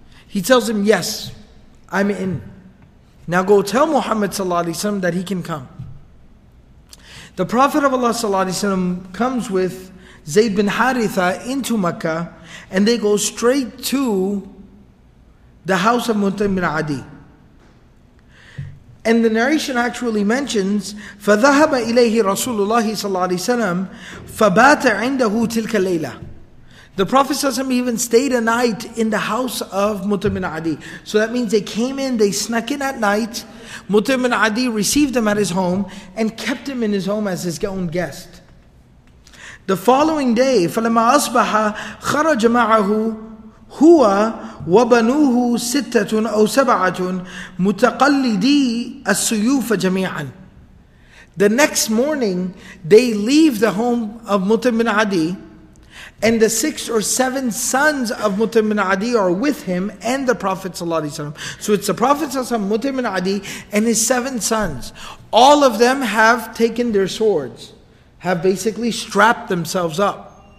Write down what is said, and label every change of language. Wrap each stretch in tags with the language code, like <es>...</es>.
<en>He tells him, yes, I'm in. Now go tell Muhammad ﷺ that he can come. The Prophet of Allah ﷺ comes with Zayd bin Haritha into Mecca, and they go straight to the house of Mutim bin Adi. And the narration actually mentions,</en> <ar>فَذَهَبَ إِلَيْهِ رَسُولُ اللَّهِ صَلَّى اللَّهُ عَلَيْهِ وَسَلَّمَ فَبَاتَ عِنْدَهُ تِلْكَ لَيْلَةً.</ar> <en>The Prophet ﷺ even stayed a night in the house of Mutim bin Adi. So that means they came in, they snuck in at night. Mutim bin Adi received them at his home and kept him in his home as his own guest. The following day,</en> <ar>فَلَمَّا أَصْبَحَ خَرَجَ مَعَهُ هُوَ وَبَنُوهُ سِتَّةٌ أَوْ سَبَعَةٌ مُتَقَلِّدِي السُّيُوفَ جَمِيعًا.</ar> <en>The next morning, they leave the home of Mutim bin Adi, and the 6 or 7 sons of Mutim bin Adi are with him and the Prophet ﷺ. So it's the Prophet ﷺ, Mutim bin Adi, and his 7 sons. All of them have taken their swords, have basically strapped themselves up.</en>